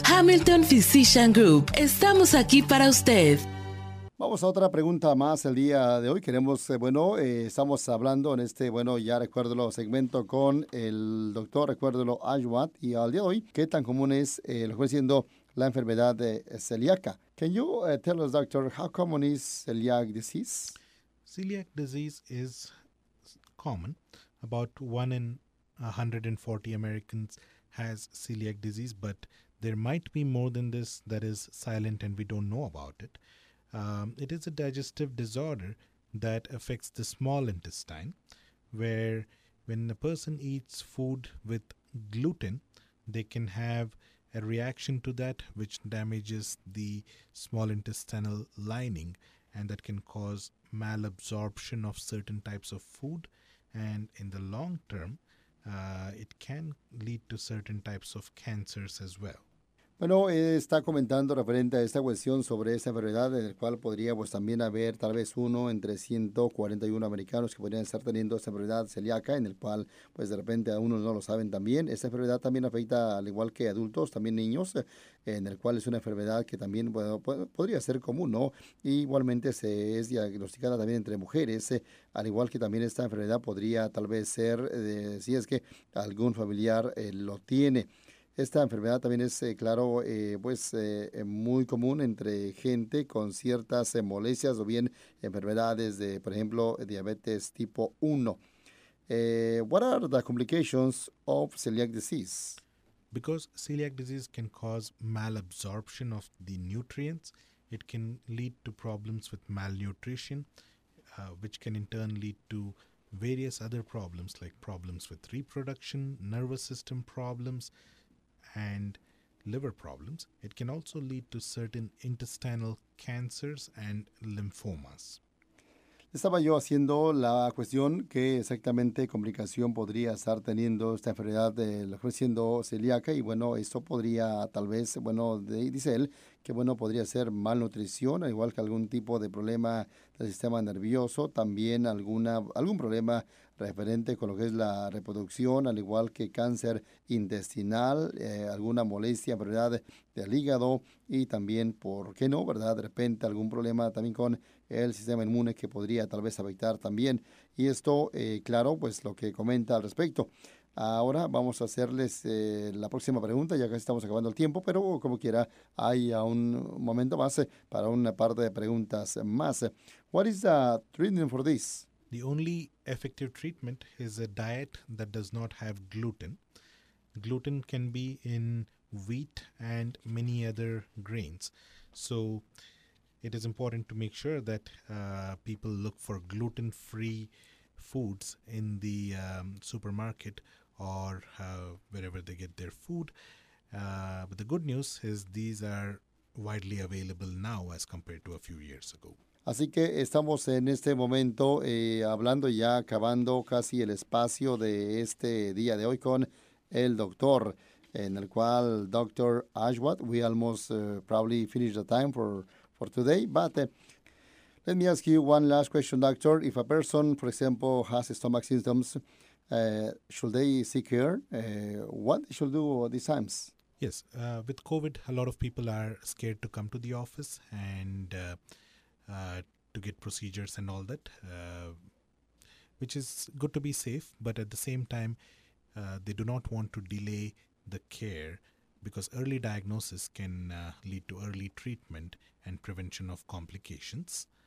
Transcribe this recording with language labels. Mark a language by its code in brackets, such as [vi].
[es] Hamilton Physician Group. Estamos aquí para usted. Vamos a otra pregunta más el día de hoy. Queremos, bueno, estamos hablando en este, bueno, ya recuérdelo, segmento con el doctor, recuérdelo, Ashwat. Y al día de hoy, ¿qué tan común es lo que viene siendo la enfermedad de celíaca? [en] Can you tell us, doctor, how common is celiac disease? Celiac disease is common. About 1 in 140 Americans has celiac disease, but there might be more than this that is silent and we don't know about it. It is a digestive disorder that affects the small intestine, where when a person eats food with gluten, they can have a reaction to that which damages the small intestinal lining, and that can cause malabsorption of certain types of food, and in the long term, it can lead to certain types of cancers as well. [es] Bueno, está comentando referente a esta cuestión sobre esta enfermedad, en el cual podría pues también haber tal vez uno entre 141 americanos que podrían estar teniendo esta enfermedad celíaca, en el cual pues de repente a unos no lo saben también. Esta enfermedad también afecta, al igual que adultos, también niños, en el cual es una enfermedad que también podría ser común, ¿no? Y igualmente se es diagnosticada también entre mujeres, al igual que también esta enfermedad podría tal vez ser, si es que algún familiar lo tiene. Esta enfermedad también es, claro, pues muy común entre gente con ciertas molestias o bien enfermedades de, por ejemplo, diabetes tipo 1. [en] What are the complications of celiac disease? Because celiac disease can cause malabsorption of the nutrients, it can lead to problems with malnutrition, which can in turn lead to various other problems like problems with reproduction, nervous system problems, and liver problems. It can also lead to certain intestinal cancers and lymphomas. [es] Estaba yo haciendo la cuestión que exactamente complicación podría estar teniendo esta enfermedad de lo que siendo celíaca, y bueno, esto podría tal vez, bueno, dice él, que bueno, podría ser malnutrición, al igual que algún tipo de problema del sistema nervioso, también algún problema referente con lo que es la reproducción, al igual que cáncer intestinal, alguna molestia, enfermedad del hígado, y también, ¿por qué no?, ¿verdad?, de repente algún problema también con el sistema inmune que podría tal vez afectar también. Y esto, claro, pues lo que comenta al respecto. Ahora vamos a hacerles la próxima pregunta, ya casi estamos acabando el tiempo, pero como quiera, hay un momento más para una parte de preguntas más. [en] What is the treatment for this? The only effective treatment is a diet that does not have gluten. Gluten can be in wheat and many other grains. So it is important to make sure that people look for gluten-free foods in the supermarket or wherever they get their food. But the good news is these are widely available now as compared to a few years ago. [es] Así que estamos en este momento hablando ya, acabando casi el espacio de este día de hoy con el doctor, en el cual, Dr. [en] Ashwat, we almost probably finished the time for today, but let me ask you one last question, doctor. If a person, for example, has stomach symptoms, should they seek care? What should do at these times? Yes, with COVID, a lot of people are scared to come to the office and to get procedures and all that, which is good to be safe, but at the same time, they do not want to delay the care because early diagnosis can lead to early treatment and prevention of complications.